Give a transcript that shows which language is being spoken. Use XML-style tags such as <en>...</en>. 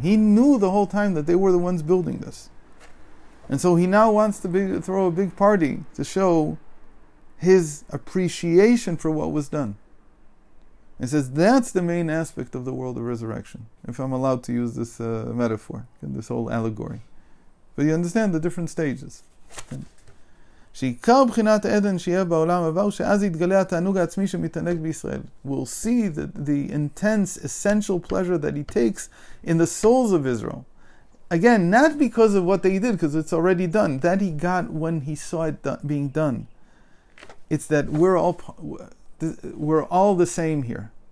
<en>He knew the whole time that they were the ones building this. And so he now wants to throw a big party to show his appreciation for what was done. He says, that's the main aspect of the world of resurrection, if I'm allowed to use this metaphor, this whole allegory. But you understand the different stages.</en> <he>שעיקר בחינת עדן שיהיה בעולם הבא, שאז יתגלה התענוג העצמי שמתענג בישראל.</he> <en>We'll see the intense, essential pleasure that he takes in the souls of Israel. Again, not because of what they did, because it's already done. That he got when he saw it being done. It's that we're all the same here.</en>